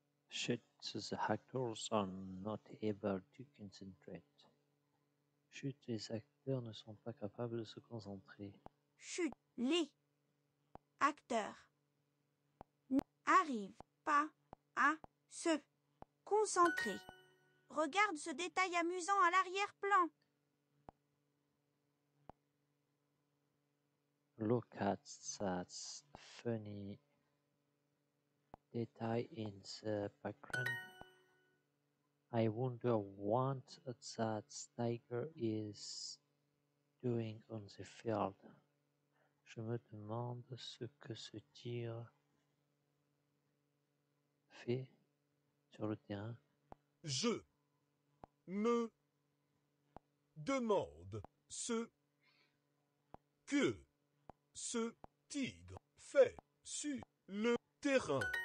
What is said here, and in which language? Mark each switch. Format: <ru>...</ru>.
<en>Chut, the hackers are not able to concentrate.</en> <fr>Chut, les acteurs ne sont pas capables de se concentrer. Chut, les acteurs n'arrivent pas à se concentrer. Regarde ce détail amusant à l'arrière-plan.</fr> <en>Look at that funny detail in the background. I wonder what that tiger is doing on the field.</en> <fr>Je me demande ce que ce tigre fait sur le terrain. Je me demande ce que ce tigre fait sur le terrain.</fr>